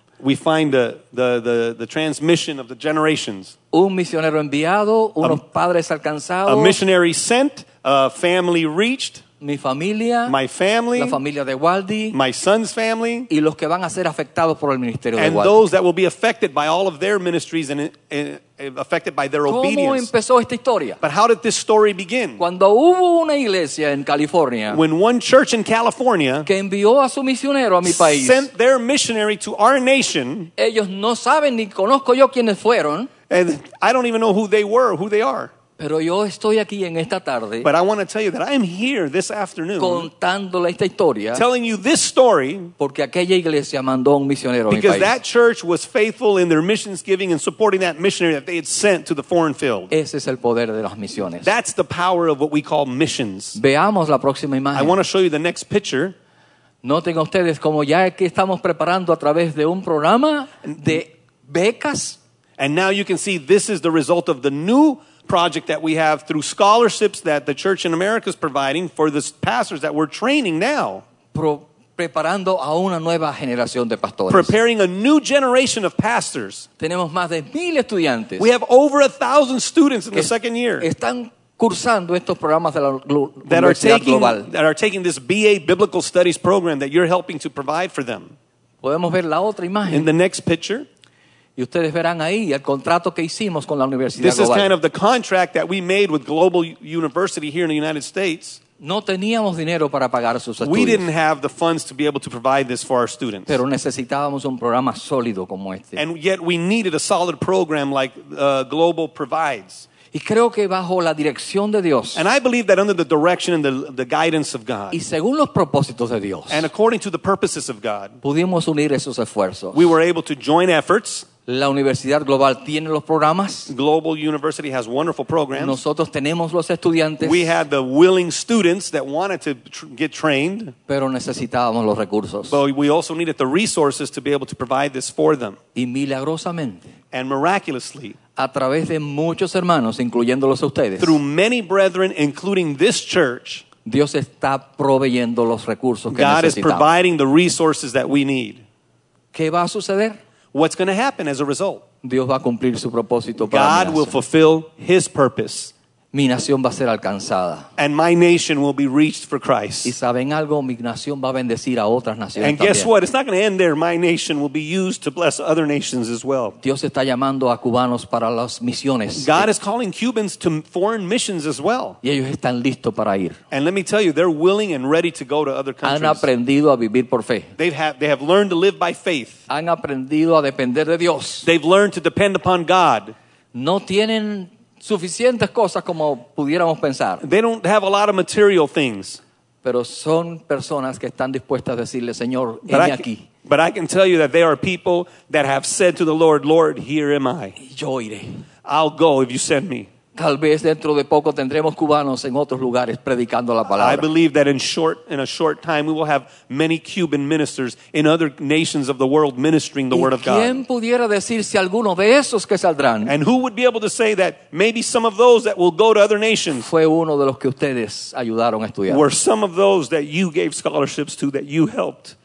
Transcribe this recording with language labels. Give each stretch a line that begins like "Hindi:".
English: We find the transmission of the generations.
Spanish: Un misionero enviado, unos padres alcanzados.
English: A missionary sent, a family reached.
Spanish: Mi familia,
English: my family,
Spanish: la familia de Waldy,
English: my son's family,
Spanish: y los que van a ser afectados por el ministerio de
English: Waldy. And those that will be affected by all of their ministries and affected by their obedience.
Spanish: ¿Cómo empezó esta historia?
English: But how did this story begin?
Spanish: Cuando hubo una iglesia en California,
English: when one church in California
Spanish: que envió a su misionero a mi país,
English: sent their missionary to our nation,
Spanish: ellos no saben ni conozco yo quiénes fueron,
English: and I don't even know who they were, who they are.
Spanish: Pero yo estoy aquí en esta tarde.
English: But I want to tell you that I am here this afternoon.
Spanish: Contándole esta historia.
English: Telling you this story.
Spanish: Porque aquella iglesia mandó un misionero a mi país.
English: Because that church was faithful in their missions giving and supporting that missionary that they had sent to the foreign field.
Spanish: Ese es el poder de las misiones.
English: That's the power of what we call missions.
Spanish: Veamos la próxima imagen.
English: I want to show you the next picture.
Spanish: Noten ustedes como ya aquí estamos preparando a través de un programa de becas.
English: And now you can see this is the result of the new project that we have through scholarships that the church in America is providing for the pastors that we're training now.
Spanish: Preparando a una nueva generación de pastores.
English: Preparing a new generation of pastors.
Spanish: Tenemos más de 1,000 estudiantes.
English: We have over 1,000 students in the second year.
Spanish: Están cursando estos programas de la Global.
English: That are taking this BA Biblical Studies program that you're helping to provide for them.
Spanish: Podemos ver la otra imagen.
English: In the next picture.
Spanish: Y ustedes verán ahí el contrato que hicimos con la Universidad
English: This Global. This is kind of the contract that we made with Global University here in the United States.
Spanish: No teníamos dinero para pagar sus estudios.
English: We didn't have the funds to be able to provide this for our students.
Spanish: Pero necesitábamos un programa sólido como este.
English: And yet we needed a solid program like Global provides.
Spanish: Y creo que bajo la dirección de Dios.
English: And I believe that under the direction and the guidance of God.
Spanish: Y según los propósitos de Dios.
English: And according to the purposes of God.
Spanish: Pudimos unir esos esfuerzos.
English: We were able to join efforts.
Spanish: La Universidad Global tiene los programas.
English: Global University has wonderful programs.
Spanish: Nosotros tenemos los estudiantes.
English: We had the willing students that wanted to get trained.
Spanish: Pero necesitábamos los recursos.
English: But we also needed the resources to be able to provide this for them.
Spanish: Y milagrosamente.
English: And miraculously.
Spanish: A través de muchos hermanos, incluyéndolos a ustedes.
English: Through many brethren, including this church.
Spanish: Dios está proveyendo los recursos que
English: God
Spanish: necesitamos.
English: God is providing the resources that we need.
Spanish: ¿Qué va a suceder?
English: What's going to happen as a result?
Spanish: Dios va a cumplir su propósito para
English: God will fulfill his purpose.
Spanish: Mi nación va a ser alcanzada.
English: And my nation will be reached for Christ.
Spanish: ¿Y saben algo? Mi nación va a bendecir a otras naciones
English: and
Spanish: también.
English: Guess what? It's not going to end there. My nation will be used to bless other nations as well.
Spanish: Dios está llamando a cubanos para las misiones.
English: God is calling Cubans to foreign missions as well.
Spanish: Y ellos están listos para ir.
English: And let me tell you, they're willing and ready to go to other countries.
Spanish: Han aprendido a vivir por fe.
English: They have learned to live by faith.
Spanish: Han aprendido a depender de Dios.
English: They've learned to depend upon God.
Spanish: No tienen suficientes cosas como pudiéramos pensar.
English: They don't have a lot of material things.
Spanish: Pero son personas que están dispuestas a decirle, Señor, heme aquí.
English: But I can tell you that they are people that have said to the Lord, Lord, here am I.
Spanish: Yo iré.
English: I'll go if you send me.
Spanish: Tal vez dentro de poco tendremos cubanos en otros lugares predicando la palabra.
English: I believe that in a short time we will have many Cuban ministers in other nations of the world ministering the word of God.
Spanish: ¿Quién pudiera decir si alguno de esos que saldrán?
English: And who would be able to say that maybe some of those that will go to other nations?
Spanish: Fue uno de los que ustedes ayudaron a estudiar.
English: Were some of those that you gave scholarships to that you helped?